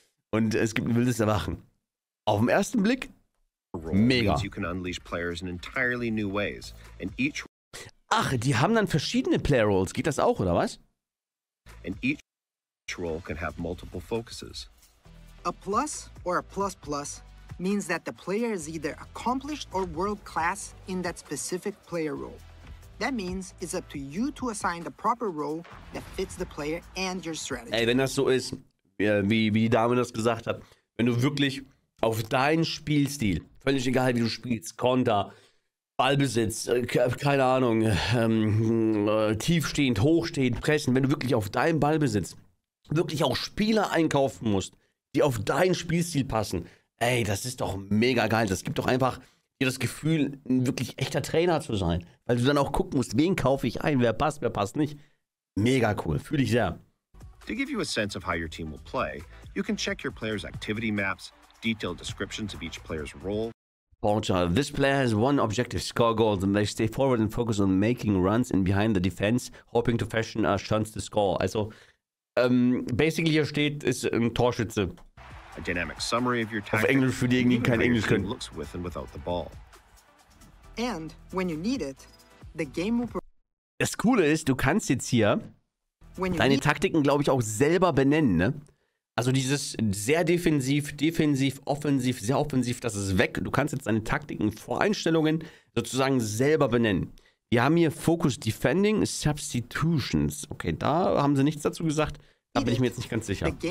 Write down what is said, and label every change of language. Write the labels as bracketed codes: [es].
[de] Und es gibt ein wildes Erwachen. Auf den ersten Blick, mega. [en] You can unleash players in entirely new ways. And each... [de] Ach, die haben dann verschiedene Player Roles. Geht das auch, oder was? [en] And each role can have multiple focuses. A plus or a plus plus means that the player is either accomplished or world class in that specific player role. That means it's up to you to assign the proper role that fits the player and your strategy. [de] Ey, wenn das so ist, Wie die Dame das gesagt hat, wenn du wirklich auf deinen Spielstil, völlig egal wie du spielst, Konter, Ballbesitz, keine Ahnung, tiefstehend, hochstehend, pressen, wenn du wirklich auf deinen Ballbesitz wirklich auch Spieler einkaufen musst, die auf deinen Spielstil passen, ey, das ist doch mega geil. Das gibt doch einfach dir das Gefühl, ein wirklich echter Trainer zu sein, weil du dann auch gucken musst, wen kaufe ich ein, wer passt nicht. Mega cool, fühle ich sehr. [en] To give you a sense of how your team will play, you can check your player's activity maps, detailed descriptions of each player's role. Porter, this player has one objective, score goals, and they stay forward and focus on making runs in behind the defense, hoping to fashion a chance to score. [de] Also, basically hier steht, ist ein Torschütze. [en] A dynamic summary of your tactics. [de] Auf Englisch für diejenigen, die kein Englisch können. [en] Looks with and without the ball. And when you need it, the game will... [de] Das Coole ist, du kannst jetzt hier deine Taktiken, glaube ich, auch selber benennen, ne? Also dieses sehr defensiv, defensiv, offensiv, sehr offensiv, das ist weg. Du kannst jetzt deine Taktiken, Voreinstellungen sozusagen selber benennen. Wir haben hier Focus Defending, Substitutions. Okay, da haben sie nichts dazu gesagt. Da bin ich mir jetzt nicht ganz sicher.